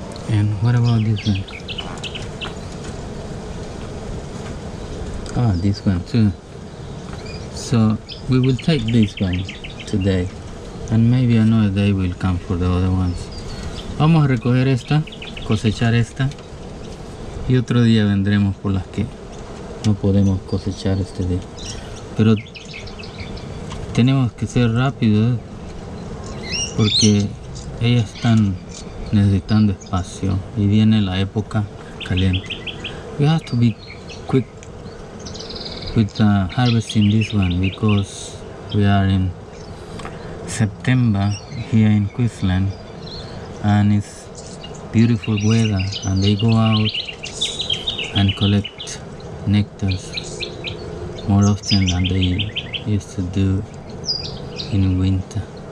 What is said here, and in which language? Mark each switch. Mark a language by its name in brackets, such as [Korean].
[English] And what about this one? Ah, this one too. So we will take this one today, and maybe another day we'll come for the other ones. [Spanish] Vamos a recoger esta, cosechar esta, y otro día vendremos por las que no podemos cosechar este día. Pero tenemos que ser rápidos, porque ellas están necesitando espacio y viene la época caliente. [English] We have to be quick with harvesting this one because we are in September here in Queensland and it's beautiful weather and they go out and collect nectars more often than they used to do in winter.